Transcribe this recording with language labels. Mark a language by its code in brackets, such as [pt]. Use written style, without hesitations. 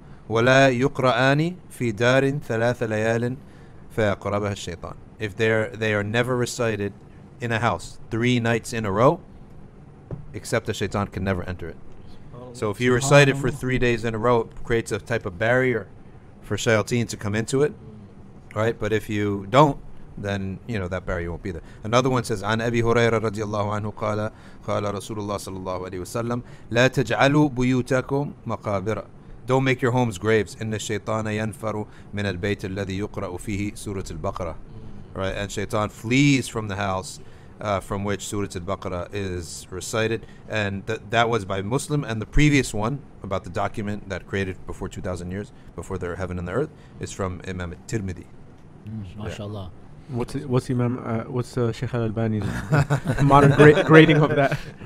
[ar] ولا يقرآن في دار ثلاث ليال فيقربها الشيطان. [en] If they are never recited in a house 3 nights in a row, except the shaitan can never enter it. So if you recite it for 3 days in a row, it creates a type of barrier for shayateen to come into it, right? But if you don't, then, you know, that barrier won't be there. Another one says, [ar] عن أبي هريرة رضي الله عنه قال قال رسول الله صلى الله عليه وسلم لا تجعلوا بيوتكم مقابر. [en] Don't make your homes graves. [ar] إن الشيطان ينفر من البيت الذي يقرأ فيه سورة البقرة. [en] Right? And shaitan flees from the house from which Surah Al-Baqarah is recited. And that was by Muslim. And the previous one about the document that created before 2,000 years, before their heaven and the earth, is from Imam Tirmidhi. MashaAllah. What's Sheikh Al-Albani's modern grading of that?